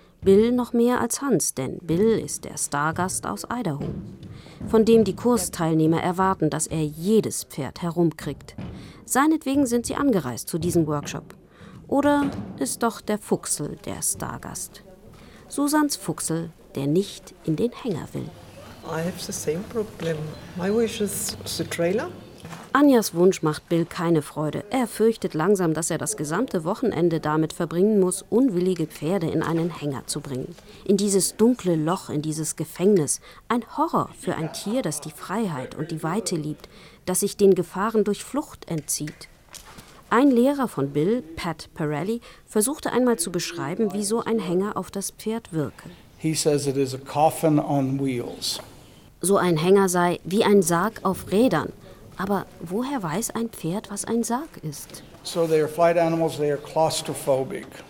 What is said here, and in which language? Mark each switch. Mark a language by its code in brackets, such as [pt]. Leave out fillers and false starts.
[de] Bill noch mehr als Hans, denn Bill ist der Stargast aus Idaho, von dem die Kursteilnehmer erwarten, dass er jedes Pferd herumkriegt. Seinetwegen sind sie angereist zu diesem Workshop. Oder ist doch der Fuchsel der Stargast? Susans Fuchsel, der nicht in den Hänger will. [en] I have the same problem. My wish is the trailer. [de] Anjas Wunsch macht Bill keine Freude. Er fürchtet langsam, dass er das gesamte Wochenende damit verbringen muss, unwillige Pferde in einen Hänger zu bringen. In dieses dunkle Loch, in dieses Gefängnis. Ein Horror für ein Tier, das die Freiheit und die Weite liebt, das sich den Gefahren durch Flucht entzieht. Ein Lehrer von Bill, Pat Parelli, versuchte einmal zu beschreiben, wie so ein Hänger auf das Pferd wirke. [en] He says it is a coffin on wheels. [de] So ein Hänger sei wie ein Sarg auf Rädern. Aber woher weiß ein Pferd, was ein Sarg ist? [en] So they are flight animals, they are claustrophobic.